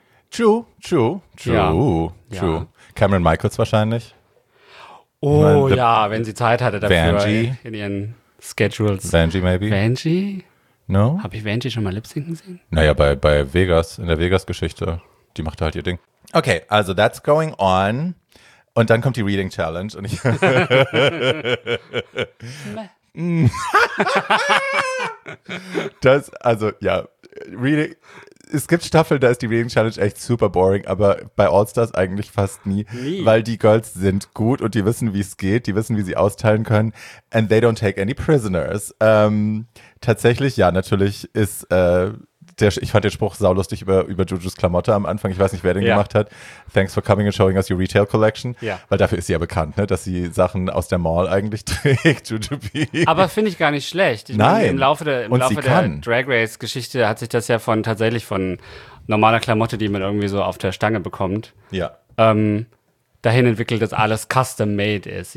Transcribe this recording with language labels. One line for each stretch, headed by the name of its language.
English: True.
German: Ja. True. Cameron Michaels wahrscheinlich. Oh ja, wenn sie Zeit hatte dafür Vangie. In ihren Schedules.
English: Vangie maybe. Vangie? No?
German: Habe ich Vangie schon mal lip-syncen sehen? Naja, bei Vegas, in der Vegas-Geschichte. Die macht halt ihr Ding.
English: Okay, also that's going on.
German: Und dann kommt die Reading Challenge. Und ich das, also ja, Reading, es gibt Staffeln, da ist die Reading Challenge echt
English: super boring,
German: aber bei All-Stars eigentlich fast nie. Weil die Girls sind gut und die wissen, wie es geht, die wissen, wie sie austeilen können.
English: And they don't take any prisoners.
German: Tatsächlich, ja, natürlich ist ich fand den Spruch saulustig über Jujus Klamotte am Anfang. Ich weiß nicht, wer den gemacht hat.
English: Thanks for coming and showing us your retail collection.
German: Ja. Weil dafür ist sie ja bekannt, ne? Dass sie Sachen aus der Mall eigentlich trägt, Jujubee. Aber finde ich gar nicht schlecht. Nein. Im Laufe der Drag Race-Geschichte hat sich das ja von normaler Klamotte, die man irgendwie so auf der Stange bekommt, dahin entwickelt, dass alles custom-made ist.